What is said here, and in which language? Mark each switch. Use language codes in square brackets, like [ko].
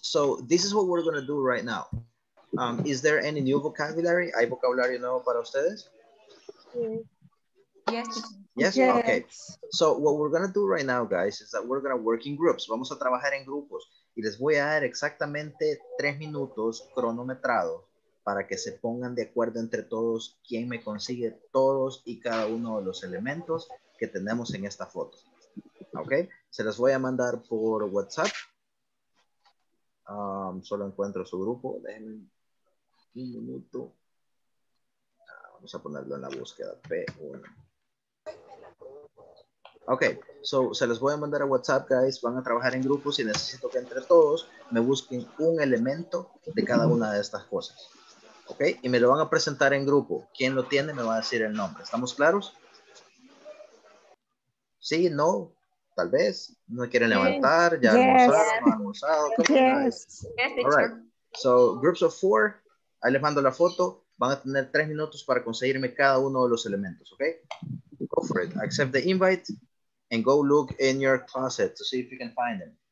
[en] So this is what we're going to do right now. Is there any new vocabulary? [es] ¿Hay vocabulario nuevo para ustedes? [en] Yes. Yes. Yes, okay. So what we're going to do right now, guys, is that we're going to work in groups. [es] Vamos a trabajar en grupos. Y les voy a dar exactamente 3 minutos cronometrados para que se pongan de acuerdo entre todos quién me consigue todos y cada uno de los elementos que tenemos en esta foto. Okay? Se los voy a mandar por WhatsApp. Solo encuentro su grupo. Déjenme un minuto. Vamos a ponerlo en la búsqueda. P1. Ok, so se los voy a mandar a WhatsApp, guys. Van a trabajar en grupos y necesito que entre todos me busquen un elemento de cada una de estas cosas. Ok, y me lo van a presentar en grupo. Quien lo tiene me va a decir el nombre. ¿Estamos claros? Sí, no, tal vez. No quieren levantar, ya han almorzado. [en] Yes. All right, so groups of 4. [es] Ahí les mando la foto. Van a tener 3 minutos para conseguirme cada uno de los elementos, ¿ok? [en] Go for it. Accept the invite and go look in your closet to see if you can find them.